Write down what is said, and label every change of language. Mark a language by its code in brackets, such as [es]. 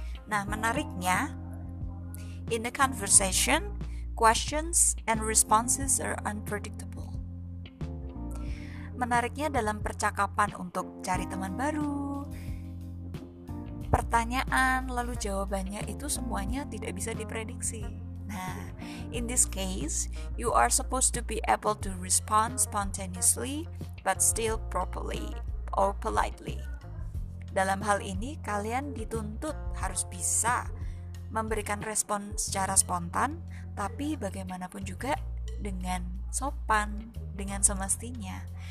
[id] Nah, menariknya, [en] in a conversation, questions and responses are unpredictable. [id] Menariknya dalam percakapan untuk cari teman baru, pertanyaan lalu jawabannya itu semuanya tidak bisa diprediksi. [en] Nah, in this case, you are supposed to be able to respond spontaneously but still properly or politely. [id] Dalam hal ini, kalian dituntut harus bisa memberikan respon secara spontan, tapi bagaimanapun juga dengan sopan, dengan semestinya.